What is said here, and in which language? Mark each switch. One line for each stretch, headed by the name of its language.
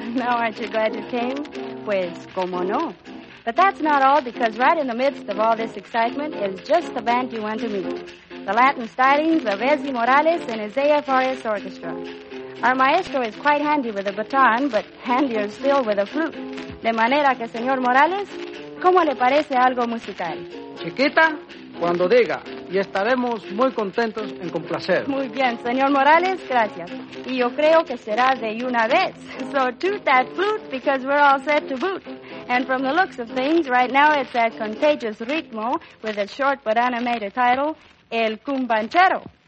English: Now, aren't you glad you came?
Spanish: Pues, como no.
English: But that's not all, because right in the midst of all this excitement is just the band you want to meet. The Latin stylings of Ezzy Morales and his AFRS Orchestra. Our maestro is quite handy with a baton, but handier still with a flute.
Spanish: De manera que, señor Morales, ¿cómo le parece algo musical? Chiquita, cuando diga, y estaremos muy contentos en complacer. Muy bien, señor Morales, gracias. Y yo creo que será de una vez.
English: So toot that flute, because we're all set to boot. And from the looks of things, right now it's that contagious ritmo with a short but animated title, El Cumbanchero.